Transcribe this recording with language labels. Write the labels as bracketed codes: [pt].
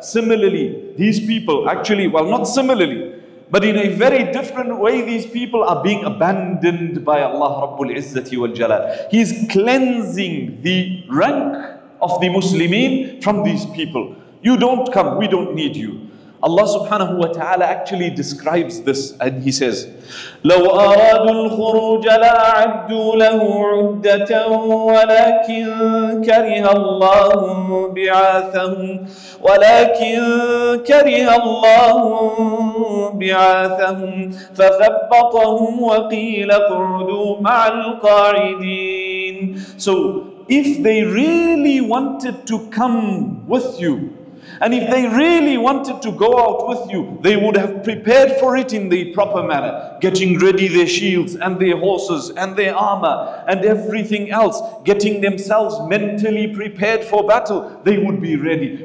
[en] Similarly, these people actually, well, not similarly, but in a very different way, these people are being abandoned by Allah Rabbul Izzati wal Jalal. He is cleansing the rank of the Muslimin from these people. You don't come, we don't need you. Allah subhanahu wa ta'ala actually describes this and he says, [ar] لَوْ أَرَادُوا الْخُرُوجَ لَأَعَدُّوا لَهُ عُدَّةً وَلَكِنْ كَرِهَ اللَّهُ بِعَاثَهُمْ وَلَكِنْ كَرِهَ اللَّهُ بِعَاثَهُمْ فَثَبَّطَهُمْ وَقِيلَ اقْعُدُوا مَعَ الْقَاعِدِينَ. [en] So if they really wanted to come with you, and if they really wanted to go out with you, they would have prepared for it in the proper manner, getting ready their shields and their horses and their armor and everything else, getting themselves mentally prepared for battle, they would be ready.